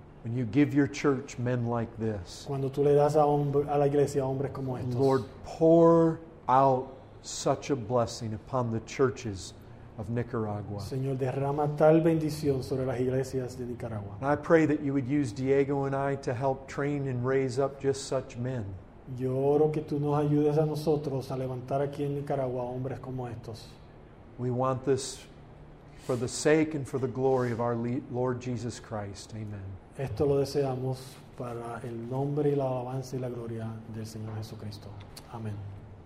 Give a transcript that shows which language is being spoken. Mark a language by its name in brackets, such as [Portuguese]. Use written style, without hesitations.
[English] When you give your church men like this. [Spanish] Cuando tú le das a la iglesia hombres como estos. [English] Lord, pour out such a blessing upon the churches of Nicaragua. [Spanish] Señor, derrama tal bendición sobre las iglesias de Nicaragua. [English] And I pray that you would use Diego and I to help train and raise up just such men. [Spanish] Yo oro que tú nos ayudes a nosotros a levantar aquí en Nicaragua hombres como estos. [English] We want this for the sake and for the glory of our Lord Jesus Christ. Amen. [Spanish] Esto lo deseamos para el nombre y la alabanza y la gloria del Señor Jesucristo. Amén.